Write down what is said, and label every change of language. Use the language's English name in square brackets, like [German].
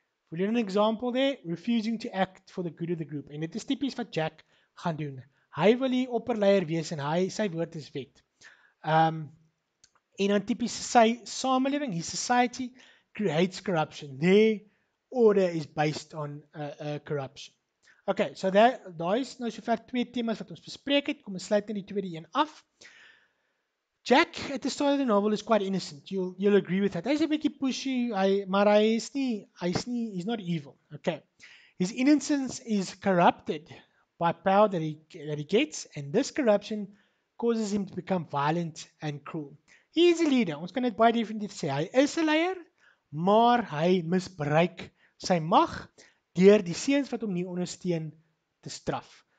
[English] We learn an example there, refusing to act for the good of the group. [Afrikaans] En dit is typisch wat Jack gaan doen. Hy wil die opperleier wees en hy, sy woord is wet. En dan typisch sy samenleving, [English] his society, creates corruption. Their order is based on corruption. [Afrikaans] Okay, so daar is nou sover twee themas wat ons bespreek het. Kom ons sluit in die tweede een af. [English] Jack, at the start of the novel, is quite innocent. You'll agree with that. [Afrikaans] Hy is [English] a bit pushy, maar he's not evil. Okay. His innocence is corrupted by power that he gets, and this corruption causes him to become violent and cruel. He is a leader. [Afrikaans] Ons kan dit baie definitief sê. Hy is 'n leier, maar hy misbruik sy mag deur die seuns wat hom nie ondersteun te straf.